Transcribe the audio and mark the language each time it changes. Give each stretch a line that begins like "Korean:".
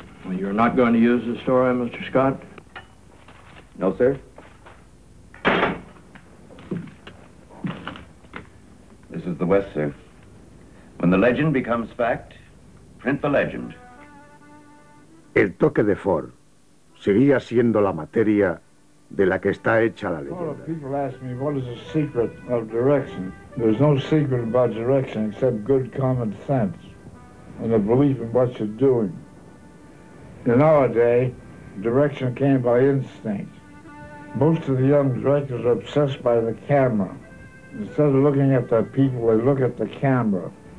English: You're not going to use the story, Mr. Scott? No, sir. This is the West, sir. When the legend becomes fact, print the legend.
Spanish: El toque de Ford seguía siendo la materia de la que está hecha la leyenda.
English: A lot of people ask me, what is the secret of direction? There's no secret about direction except good common sense and a belief in what you're doing. In our day, direction came by instinct. Most of the young directors are obsessed by the camera. Instead of looking at the people, they look at the camera.